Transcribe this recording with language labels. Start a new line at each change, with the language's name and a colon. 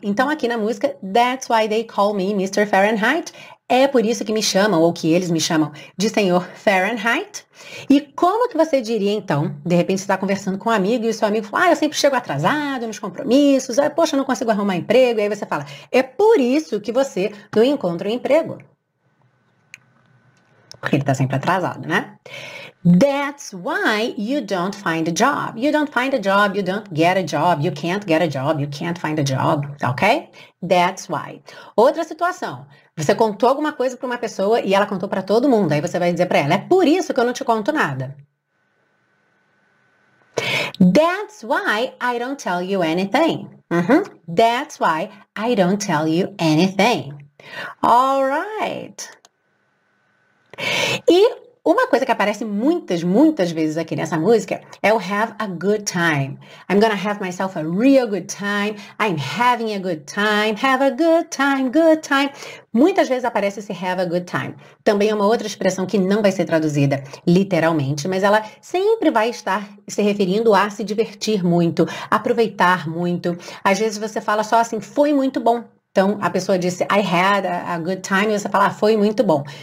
Portuguese: Então aqui na música,
English: that's why they call me Mr. Fahrenheit,
Portuguese: é por isso que me chamam, ou que eles me chamam de senhor Fahrenheit. E como que você diria então, de repente você está conversando com um amigo e o seu amigo fala, ah, eu sempre chego atrasado nos compromissos, ah, poxa, eu não consigo arrumar emprego, e aí você fala, é por isso que você não encontra um emprego. Porque ele tá sempre atrasado, né?
English: That's why you don't find a job. You don't find a job, you don't get a job, you can't get a job, you can't find a job, ok? That's why.
Portuguese: Outra situação. Você contou alguma coisa pra uma pessoa e ela contou pra todo mundo. Aí você vai dizer pra ela, é por isso que eu não te conto nada.
English: That's why I don't tell you anything. Uhum. That's why I don't tell you anything. All right.
Portuguese: E uma coisa que aparece muitas, muitas vezes aqui nessa música é o
English: have a good time. I'm gonna have myself a real good time. I'm having a good time. Have a good time, good time.
Portuguese: Muitas vezes aparece esse
English: have a good time.
Portuguese: Também é uma outra expressão que não vai ser traduzida literalmente, mas ela sempre vai estar se referindo a se divertir muito, aproveitar muito. Às vezes você fala só assim, foi muito bom. Então, a pessoa disse,
English: I had a good time,
Portuguese: e você fala, ah, foi muito bom.